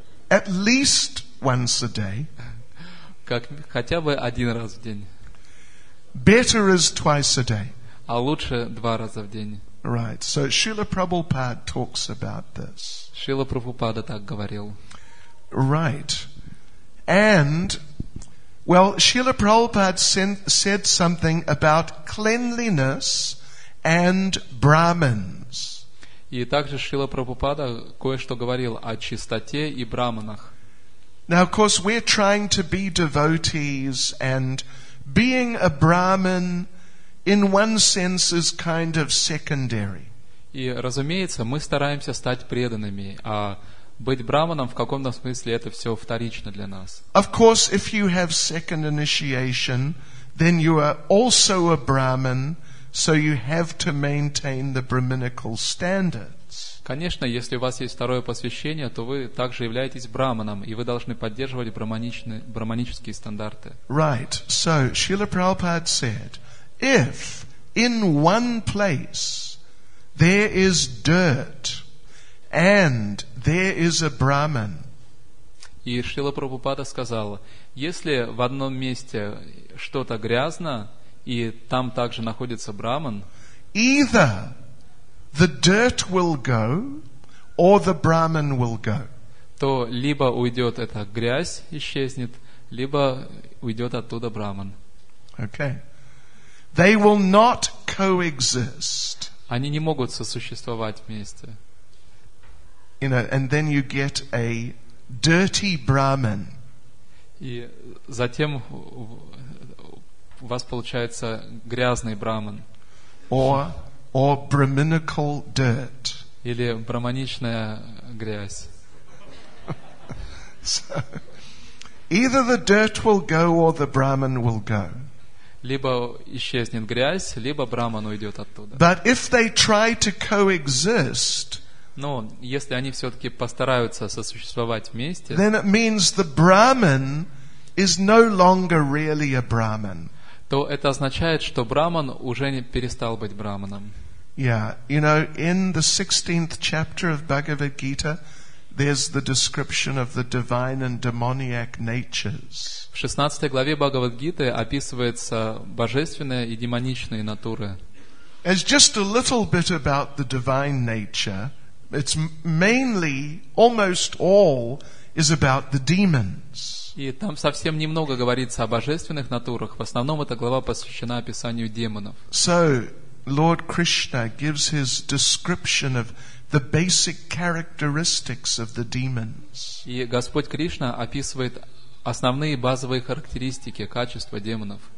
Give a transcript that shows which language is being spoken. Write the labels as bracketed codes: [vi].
[en] At least once a day. [ru] Как, хотя бы 1 раз в день. [en] Better is twice a day. [ru] А лучше 2 раза в день. [en] Right. So Srila Prabhupada talks about this. [ru] Шрила Прабхупада так говорил. [en] Right. And, well, Srila Prabhupada said something about cleanliness and Brahmins. [ru] И также Шрила Прабхупада кое-что говорил о чистоте и брахманах. [en] Now, of course, we're trying to be devotees, and being a Brahmin, in one sense, is kind of secondary. [ru] И, разумеется, мы стараемся стать преданными, а быть Брахманом в каком-то смысле это все вторично для нас. [en] Of course, if you have second initiation, then you are also a Brahmin, so you have to maintain the brahminical standard. [ru] Конечно, если у вас есть второе посвящение, то вы также являетесь брахманом, и вы должны поддерживать брахманические стандарты. [en] Right. So, Srila Prabhupada said, if in one place there is dirt and there is a brahman. [ru] И Шрила Прабхупада сказал, если в одном месте что-то грязно, и там также находится брахман, [en] either the dirt will go, or the Brahman will go. [ru] То либо уйдет эта грязь, исчезнет, либо уйдет оттуда Брахман. [en] Okay. They will not coexist. [ru] Они не могут сосуществовать вместе. [en] You know, and then you get a dirty Brahman. [ru] И затем у вас получается грязный Брахман. [en] Or brahminical dirt. [ru] Или брахманичная грязь. [en] So, either the dirt will go or the Brahman will go. [ru] Либо исчезнет грязь, либо Брахман уйдет оттуда. [en] But if they try to coexist, [ru] но если они все-таки постараются сосуществовать вместе, [en] then it means the Brahman is no longer really a Brahman. [ru] То это означает, что Брахман уже не перестал быть Брахманом. [en] Yeah, you know, in the 16th chapter of Bhagavad Gita, there's the description of the divine and demoniac natures. [ru] В 16 главе Бхагавад Гиты описывается божественные и демоничные натуры. [en] As just a little bit about the divine nature, it's mainly almost all is about the demons. [ru] И там совсем немного говорится о божественных натурах, в основном эта глава посвящена описанию демонов. [en] So Lord Krishna gives his description of the basic characteristics of the demons. [ru] И Господь Кришна описывает основные базовые характеристики качества демонов.